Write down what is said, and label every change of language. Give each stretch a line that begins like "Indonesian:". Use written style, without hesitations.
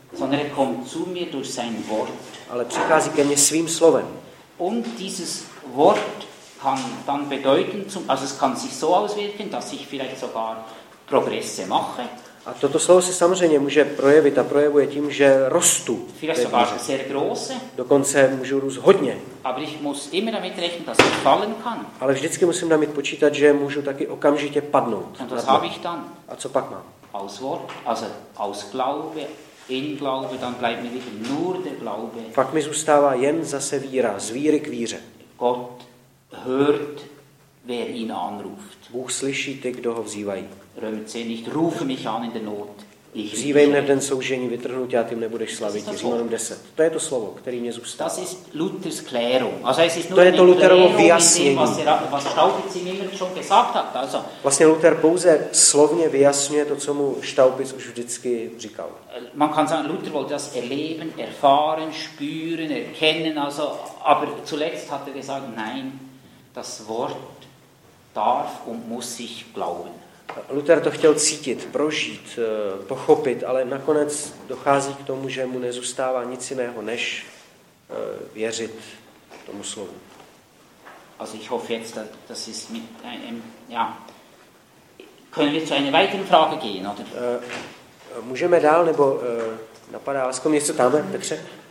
German: Sondern kommt zu mir durch sein Wort.
Czech: Ale přichází ke mně svým slovem.
German: Und dieses Wort kann dann bedeuten, also es kann sich so auswirken, dass ich vielleicht sogar progresse mache.
Czech: A toto slovo se samozřejmě může projevit a projevuje tím, že rostu.
German: Vielleicht sogar sehr große.
Czech: Dokonce můžu růst hodně.
German: Aber ich muss immer damit rechnen, dass ich fallen kann.
Czech: Ale vždycky musím
German: damit
Czech: počítat, že můžu taky okamžitě padnout.
German: Und was habe ich dann?
Czech: A co pak mám?
German: Aus Wort, also aus Glaube. In Glaube, dann bleibt mir wieder nur der Glaube.
Czech: Pak mi zůstává jen zase víra, z víry k víře.
German: Gott hört, wer ihn anruft.
Czech: Bůh slyší ty, kdo ho vzývají.
German: Römer 10, nicht ruf mich an in der Not.
Czech: Vzývej mne v den soužení, vytrhnu tě a tím nebudeš slavit. Římanům 10. To je to slovo, který mě zůstává.
German: Das ist Luthers Klärung. Also es ist
Czech: to je to Lutherovo vyjasnění.
German: Was Staupitz ihm immer schon gesagt hat. Also,
Czech: vlastně Luther pouze slovně vyjasňuje to, co mu Staupitz už vždycky říkal.
German: Man kann sagen, Luther wollte das erleben, erfahren, spüren, erkennen. Also, aber zuletzt hat gesagt, nein, das Wort darf und muss sich glauben.
Czech: Luther to chtěl cítit, prožít, pochopit, ale nakonec dochází k tomu, že mu nezůstává nic jiného, než věřit tomu slovu.
German: Also ich hoffe jetzt, das ist mit einem, ja, können wir zu einer weiteren Frage gehen, oder?
Czech: Můžeme dál, nebo napadá vás, komu něco tamhle, Petře?